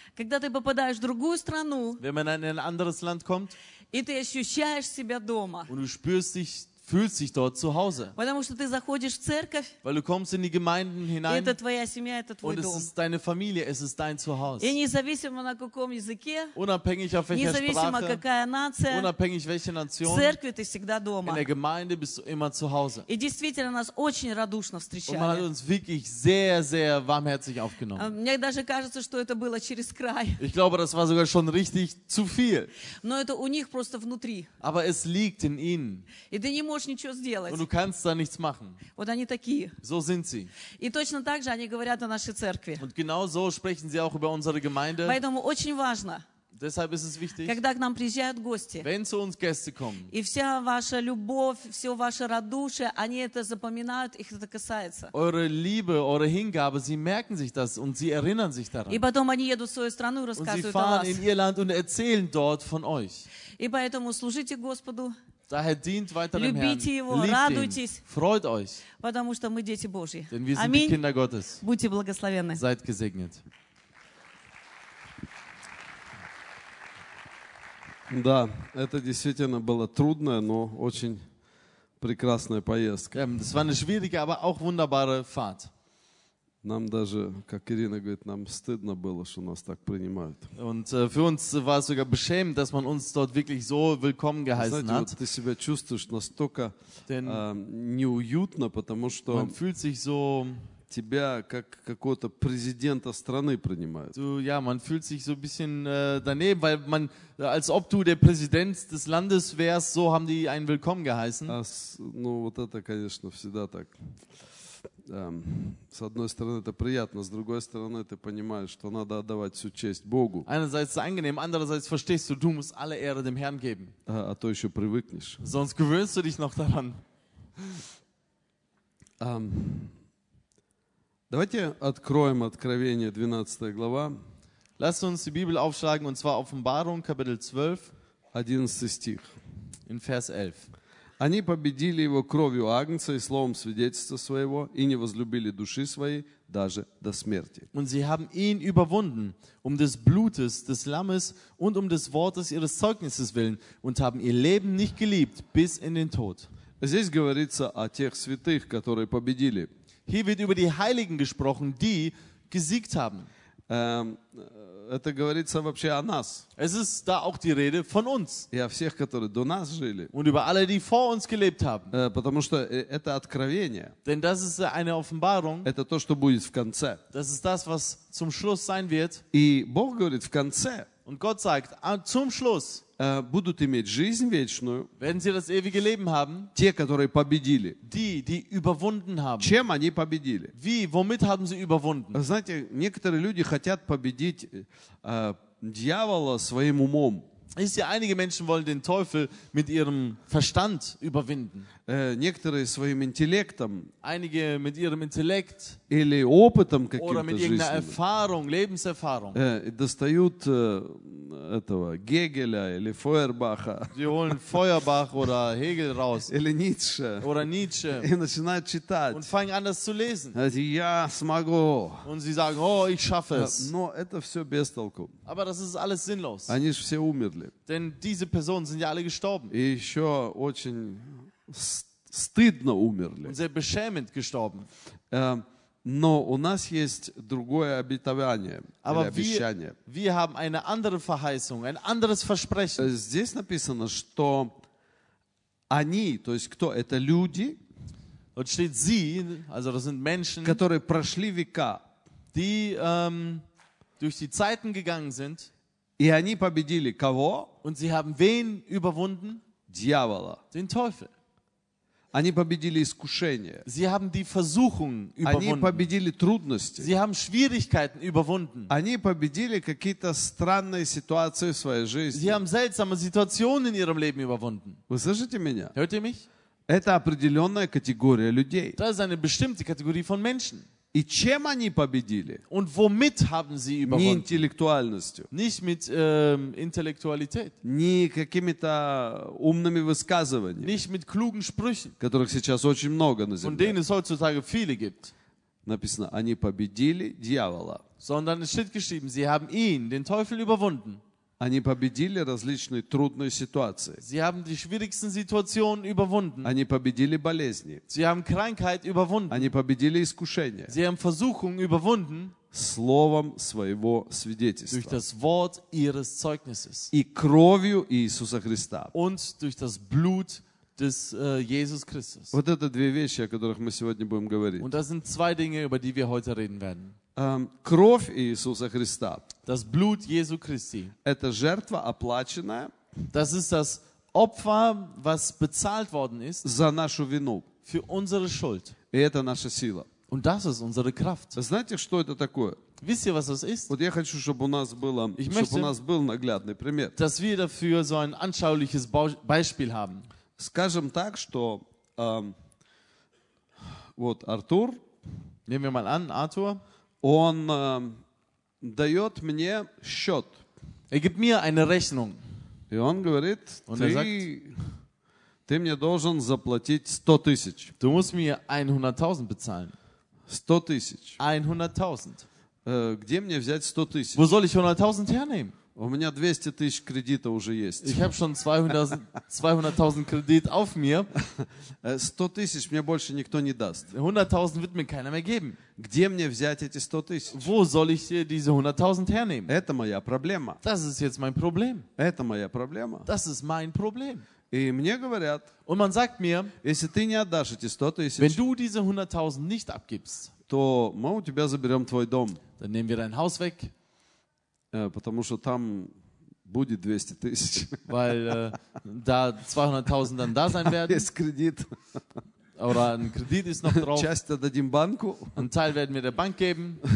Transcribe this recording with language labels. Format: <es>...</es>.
<ru>Когда ты попадаешь в другую страну,</ru> <de>wenn man in ein anderes Land kommt,</de> <ru>и ты ощущаешь себя дома,</ru> <de>und du spürst dich, fühlst dich dort zu Hause,</de> <ru>потому что ты заходишь в церковь,</ru> <de>weil du kommst in die Gemeinden hinein,</de> <ru>и это твоя семья, это твой</ru> <de>und</de> <ru>дом,</ru> <de>und es ist deine Familie, es ist dein Zuhause,</de> <ru>и независимо на каком языке,</ru> <de>unabhängig auf welcher</de> <ru>независимо</ru> <de>Sprache,</de> <ru>какая нация,</ru> <de>unabhängig welche Nation,</de> <ru>в церкви ты всегда дома,</ru> <de>in der Gemeinde bist du immer zu Hause,</de> <ru>и действительно нас очень радушно встречали,</ru> <de>und man hat uns wirklich sehr, sehr warmherzig aufgenommen.</de> <ru>Мне даже кажется, что это было через край.</ru> <de>Ich glaube, das war sogar schon richtig zu viel.</de> <ru>Но это у них просто внутри.</ru> <de>Aber es liegt in ihnen.</de> <ru>И ты не можешь ничего сделать.</ru> <de>Und du kannst da nichts machen.</de> <ru>Вот они такие.</ru> <de>So sind sie.</de> <ru>И точно так же они говорят о нашей церкви.</ru> <de>Und genau so sprechen sie auch über unsere Gemeinde.</de> <ru>Поэтому очень важно,</ru> <de>deshalb ist es wichtig,</de> <ru>когда к нам приезжают гости,</ru> <de>wenn zu uns Gäste kommen,</de> <ru>и вся ваша любовь, все ваше радушие, они это запоминают, их это касается.</ru> <de>Eure Liebe, eure Hingabe, sie merken sich das und sie erinnern sich daran.</de> <ru>И потом они едут в свою страну и рассказывают о вас.</ru> <de>Und sie fahren in ihr Land und erzählen dort von euch.</de> <ru>И поэтому служите Господу.</ru> <de>Daher dient weiter</de> <ru>Любите</ru> <de>dem Herrn.</de> <ru>Его,</ru> <de>Liebt</de> <ru>радуйтесь,</ru> <de>ihn. Freut euch.</de> <ru>Потому что мы дети Божьи.</ru> <de>Denn wir sind die Kinder Gottes.</de> <ru>Будьте благословенны.</ru> <de>Seid gesegnet.</de> <ru>Да, это действительно было трудное, но очень прекрасная поездка.</ru> <de>Das war eine schwierige, aber auch wunderbare Fahrt.</de> <ru>Нам даже, как Ирина говорит, нам стыдно было, что нас так принимают.</ru> <de>Und für uns war es sogar beschämend, dass man uns dort wirklich so willkommen geheißen</de> <ru>Знаете,</ru> <de>hat.</de> <ru>Вот ты себя чувствуешь настолько неуютно, потому что</ru> <de>man fühlt sich so,</de> <ru>тебя как какого-то президента страны принимают.</ru> <de>Du, ja, man fühlt sich so ein bisschen daneben, weil man, als ob du der Präsident des Landes wärst, so haben die einen willkommen geheißen. Das,</de> <ru>ну вот это, конечно, всегда так. С одной стороны это приятно, с другой стороны ты понимаешь, что надо отдавать всю честь Богу.</ru> <de>Einerseits ist es angenehm, andererseits verstehst du, du musst alle Ehre dem Herrn geben.</de> <ru>А то еще привыкнешь.</ru> <de>Sonst gewöhnst du dich noch daran.</de> <ru>Давайте откроем Откровение, 12 глава.</ru> <de>Lasst uns die Bibel aufschlagen, und zwar Offenbarung, Kapitel 12,</de> <ru>11 стих.</ru> <de>In Vers 11.</de> <ru>Они победили его кровью Агнца и словом свидетельства своего, и не возлюбили души своей даже до смерти.</ru> <de>Und sie haben ihn überwunden, um des Blutes des Lammes und um des Wortes ihres Zeugnisses willen, und haben ihr Leben nicht geliebt bis in den Tod.</de> <ru>Здесь говорится о тех святых, которые победили.</ru> <de>Hier wird über die Heiligen gesprochen, die gesiegt haben.</de> <ru>Это говорится вообще о нас.</ru> <de>Es ist da auch die Rede von uns.</de> <ru>И о всех, которые до нас жили.</ru> <de>Und über alle, die vor uns gelebt haben.</de> <ru>Потому что это откровение.</ru> <de>Denn das ist eine Offenbarung.</de> <ru>Это то, что будет в конце.</ru> <de>Das ist das, was zum Schluss sein wird.</de> <ru>И Бог говорит в конце.</ru> <de>Und Gott sagt, zum Schluss.</de> <ru>Будут иметь жизнь вечную.</ru> <de>Werden sie das ewige Leben haben.</de> <ru>Те, которые победили.</ru> <de>Die, die überwunden haben.</de> <ru>Чем они победили?</ru> <de>Wie, womit haben sie überwunden?</de> <ru>Знаете, некоторые люди хотят победить дьявола своим умом.</ru> <de>Ist ja, einige Menschen wollen den Teufel mit ihrem Verstand überwinden.</de> <ru>Некоторые своим интеллектом.</ru> <de>Einige mit ihrem Intellekt.</de> <ru>Или опытом каким-то.</ru> <de>Oder mit irgendeiner Erfahrung, Lebenserfahrung.</de> <ru>Достают этого Гегеля или Фойербаха.</ru> <de>Sie holen Feuerbach oder Hegel raus.</de> <ru>Или Ницше.</ru> <de>Oder Nietzsche.</de> <ru>И начинают читать.</ru> <de>Und fangen an, das zu lesen.</de> <ru>Я смогу.</ru> <de>Und sie sagen, oh, ich schaffe es.</de> <ru>Но это все без толку.</ru> <de>Aber das ist alles sinnlos.</de> <ru>Они же все умерли.</ru> <de>Denn diese Personen sind ja alle gestorben.</de> <ru>И еще очень стыдно умерли.</ru> <de>Und sehr beschämend gestorben.</de> <ru>Но у нас есть другое обетование.</ru> <de>Aber</de> <ru>или обещание.</ru> <de>Wir haben eine andere Verheißung, ein anderes Versprechen.</de> <ru>Здесь написано, что они, то есть кто, это люди,</ru> <de>dort steht sie, also das sind Menschen,</de> <ru>которые прошли века,</ru> <de>die durch die Zeiten gegangen sind.</de> <ru>И они победили кого?</ru> <de>Und sie haben wen überwunden?</de> <ru>Дьявола.</ru> <de>Den Teufel.</de> <ru>Они победили искушение.</ru> <de>Sie haben die Versuchung überwunden.</de> <ru>Они победили трудности.</ru> <de>Sie haben Schwierigkeiten überwunden.</de> <ru>Они победили какие-то странные ситуации в своей жизни.</ru> <de>Sie haben seltsame Situationen in ihrem Leben überwunden.</de> <ru>Вы слышите меня?</ru> <de>Hört ihr mich?</de> <ru>Это определенная категория людей.</ru> <de>Das ist eine bestimmte Kategorie von Menschen.</de> <ru>И чем они победили?</ru> <de>Und womit haben sie überwunden?</de> <ru>Не интеллектуальностью.</ru> <de>Nicht mit Intellektualität.</de> <ru>Не какими-то умными высказываниями.</ru> <de>Nicht mit klugen Sprüchen.</de> <ru>Которых сейчас очень много на Земле.</ru> <de>Und denen es heutzutage viele gibt.</de> <ru>Написано, они победили дьявола.</ru> <de>Sondern es steht geschrieben, sie haben ihn, den Teufel, überwunden.</de> <ru>Они победили различные трудные ситуации.</ru> <de>Sie haben die schwierigsten Situationen überwunden.</de> <ru>Они победили болезни.</ru> <de>Sie haben Krankheit überwunden.</de> <ru>Они победили искушение.</ru> <de>Sie haben Versuchungen überwunden.</de> <ru>Словом своего свидетельства.</ru> <de>Durch das Wort ihres Zeugnisses.</de> <ru>И кровью Иисуса Христа.</ru> <de>Und durch das Blut des Jesus Christus.</de> <ru>Вот это две вещи, о которых мы сегодня будем говорить.</ru> <de>Und das sind zwei Dinge, über die wir heute reden werden.</de> <ru>Кровь Иисуса Христа.</ru> <de>Das Blut Jesu Christi.</de> <ru>Это жертва оплаченная.</ru> <de>Das ist das Opfer, was bezahlt worden ist.</de> <ru>За нашу вину.</ru> <de>Für unsere Schuld.</de> <ru>И это наша сила.</ru> <de>Und das ist unsere Kraft.</de> <ru>Знаете, что это такое?</ru> <de>Wisst ihr, was das ist?</de> <ru>Вот я хочу, чтобы у нас было,</ru> <de>ich</de> <ru>чтобы</ru> <de>möchte,</de> <ru>у нас был наглядный пример.</ru> <de>Dass wir dafür so ein anschauliches Beispiel haben.</de> <ru>Скажем так, что вот Артур.</ru> <de>Nehmen wir mal an, Arthur.</de> <ru>Он дает мне счет.</ru> <de>Er gibt mir eine Rechnung.</de> <ru>И он говорит,</ru> <de>und er sagt,</de> <ru>ты мне должен заплатить 100 тысяч.</ru> <de>Du musst mir 100.000 bezahlen.</de> <ru>100 тысяч.</ru> <de>100.000.</de> <ru>Где мне взять 100 тысяч?</ru> <de>Wo soll ich 100.000 hernehmen?</de> <ru>У меня 200 тысяч кредита уже есть.</ru> <de>Ich habe schon 200.000 кредит auf mir.</de> <ru>100 тысяч мне больше никто не даст.</ru> <de>100.000 wird mir keiner mehr geben.</de> <ru>Где мне взять эти 100 тысяч?</ru> <de>Wo soll ich diese 100.000 hernehmen?</de> <ru>Это моя проблема.</ru> <de>Das ist jetzt mein Problem.</de> <ru>Это моя проблема.</ru> <de>Das ist mein Problem.</de> <ru>И мне говорят,</ru> <de>und man sagt mir,</de> <ru>если ты не отдашь эти 100 тысяч,</ru> <de>wenn du diese 100.000 nicht abgibst,</de> <ru>то мы у тебя заберем твой дом.</ru> <de>Dann nehmen wir dein Haus weg.</de> <ru>Потому что там будет 200 тысяч.</ru> <de>Weil da 200.000 dann da sein werden.</de> <ru>Есть кредит.</ru> <de>Oder ein Kredit ist noch drauf.</de> <ru>Часть отдадим банку.</ru> <de>Ein Teil werden wir der Bank geben.</de>